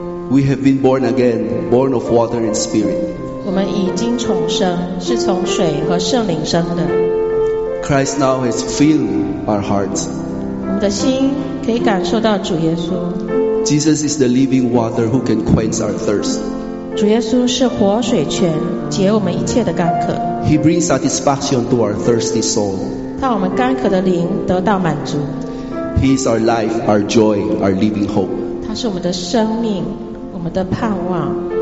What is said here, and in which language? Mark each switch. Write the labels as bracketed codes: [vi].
[en] We have been born again, born of water and spirit. [zh] 我们已经重生，是从水和圣灵生的。 [en] Christ now has filled our hearts. [zh] 我们的心可以感受到主耶稣。 [en] Jesus is the living water who can quench our thirst. [zh] 主耶稣是活水泉，解我们一切的干渴。 [en] He brings satisfaction to our thirsty soul. [zh] 让我们干渴的灵得到满足。 [en] He is our life, our joy, our living hope. [zh] 他是我们的生命，我们的盼望。